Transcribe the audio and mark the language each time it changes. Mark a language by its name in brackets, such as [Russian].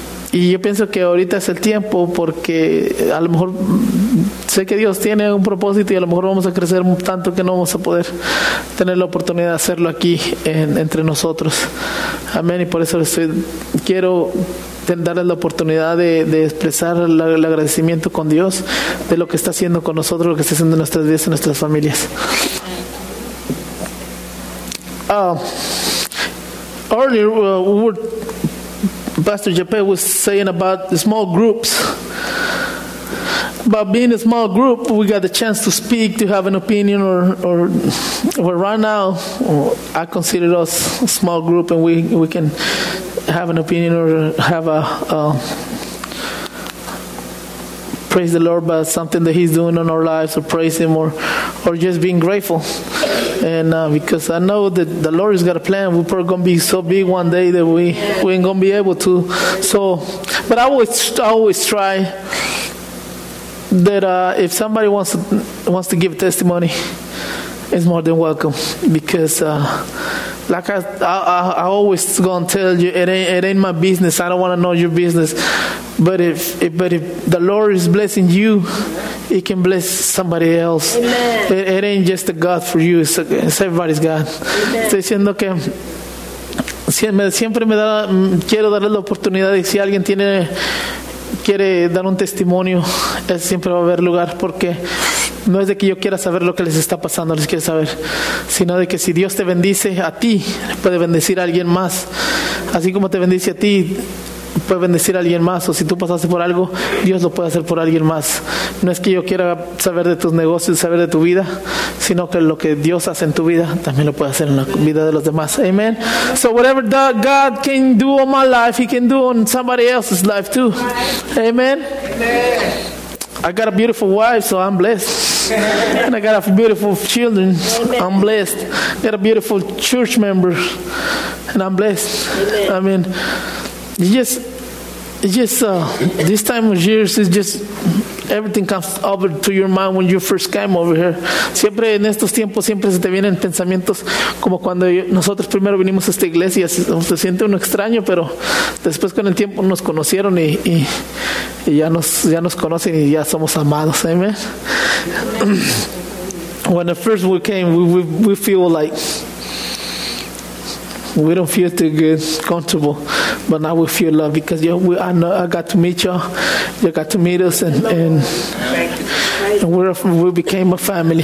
[Spanish] Y yo pienso que ahorita es el tiempo, porque a lo mejor sé que Dios tiene un propósito y a lo mejor vamos a crecer tanto que no vamos a poder tener la oportunidad de hacerlo aquí entre nosotros. Amén. Y por eso quiero darles la oportunidad de expresar el agradecimiento con Dios de lo que está haciendo con nosotros, lo que está haciendo en nuestras vidas y en nuestras familias. [English] Earlier, Pastor Jeppe was saying about small groups. But being a small group, we got the chance to speak, to have an opinion, or right now, I consider us a small group, and we can have an opinion or have a praise the Lord about something that He's doing in our lives, or praise Him, or just being grateful. And because I know that the Lord has got a plan, we're probably gonna be so big one day that we ain't gonna be able to. So, but I always try that if somebody wants to give a testimony, it's more than welcome, because like I always gonna tell you, it ain't my business. I don't want to know your business. But if the Lord is blessing you, He can bless somebody else. Amen. It ain't just a God for you. It's everybody's God. Amen. [Spanish] Estoy diciendo que siempre quiero darle la oportunidad, y si alguien quiere dar un testimonio, es siempre va a haber lugar, porque no es de que yo quiera saber lo que les está pasando, les quiero saber, sino de que si Dios te bendice a ti, puede bendecir a alguien más, así como te bendice a ti, puede bendecir a alguien más. O si tú pasaste por algo, Dios lo puede hacer por alguien más. No es que yo quiera saber de tus negocios, saber de tu vida, sino que lo que Dios hace en tu vida también lo puede hacer en la vida de los demás. [English] Amen. So whatever that God can do on my life, He can do on somebody else's life too. Amen. Amen. I got a beautiful wife, so I'm blessed. And I got a beautiful children. Amen. I'm blessed. Got a beautiful church member, and I'm blessed. Amen. I mean, Just this time of year, it's just everything comes over to your mind when you first came over here. [Spanish] Siempre en estos tiempos siempre se te vienen pensamientos como cuando nosotros primero vinimos a esta iglesia. Se siente uno extraño, pero después con el tiempo nos conocieron y ya nos conocen y ya somos amados. [English] Amen. When the first we came, we feel like we don't feel too good, comfortable. But now we feel love, because I got to meet y'all. You got to meet us, and we became a family.